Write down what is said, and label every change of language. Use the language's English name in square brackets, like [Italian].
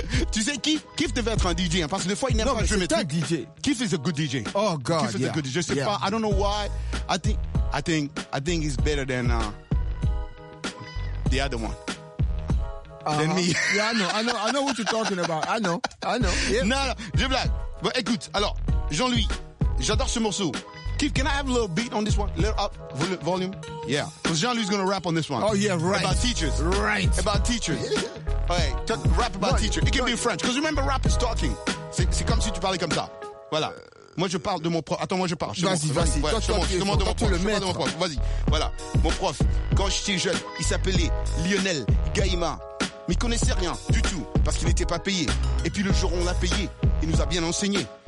[French] Tu sais, Keith devait être un DJ, parce que des fois, il n'aime pas jouer. Non, c'est un DJ. [English] Keith is a good DJ. Oh, God, Keith is a good DJ. [French] Je sais pas, [English] I don't know why. I think he's better than the other one. Than me. Yeah, I know what you're talking about. I know. Yep. [French] No, je blague. But écoute, alors, Jean-Louis, j'adore ce morceau. [English] Keith, can I have a little beat on this one? Little up volume? Yeah. Because Jean-Louis going to rap on this one. Oh, yeah, right. About teachers. Right. About teachers. Okay, rap about teachers. It can be in French. Because remember, rap is talking. [French] C'est comme si tu parlais comme ça. Voilà. Moi, je parle de mon prof. Attends, moi, je parle. Vas-y. Toi, je te demande de mon prof. Vas-y. Voilà. Mon prof, quand j'étais jeune, il s'appelait Lionel Gaïma. Mais il connaissait rien du tout parce qu'il n'était pas payé. Et puis le jour où on l'a payé, il nous a bien enseigné.